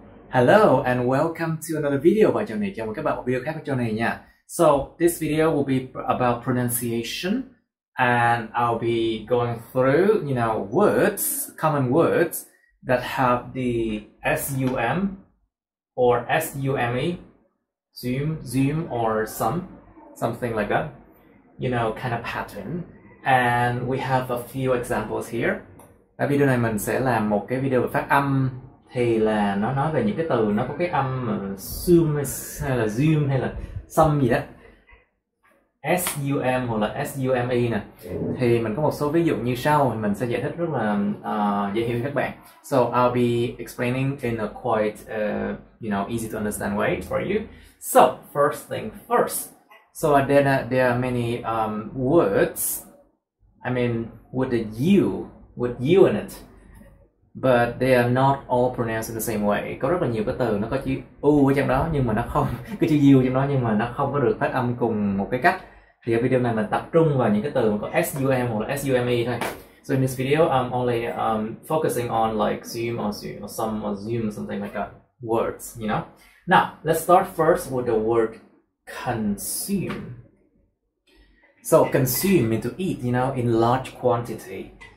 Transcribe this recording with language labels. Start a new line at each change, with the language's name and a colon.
English: Hello and welcome to another video
Vietnamese: của chương này. Chào mừng các bạn một video khác của chương này nha.
English: So this video will be about pronunciation, and I'll be going through, you know, words, common words that have the SUM or SUME, zoom or something like that, you know, kind of pattern. And we have a few examples here.
Vietnamese: Và video này mình sẽ làm một cái video về phát âm. Thì là nó nói về những cái từ nó có cái âm sum hay là zoom hay là sum gì đó, S-U-M hoặc là S-U-M-E nè. Thì mình có một số ví dụ như sau, mình sẽ giải thích rất là dễ hiểu cho các bạn.
English: So I'll be explaining in a quite you know, easy to understand way for you. So first thing first, so then there are many words, I mean with the U in it, but they are not all pronounced in the same way.
Vietnamese: Có rất là nhiều cái từ nó có chữ U ở trong đó nhưng mà nó không, cái chữ U ở trong đó nhưng mà nó không có được phát âm cùng một cái cách. Thì ở video này mình tập trung vào những cái từ mà có SUM hoặc là SUME thôi.
English: So in this video I'm only focusing on like zoom or something like that, words, you know. Now let's start first with the word consume. So consume means to eat, you know, in large quantity.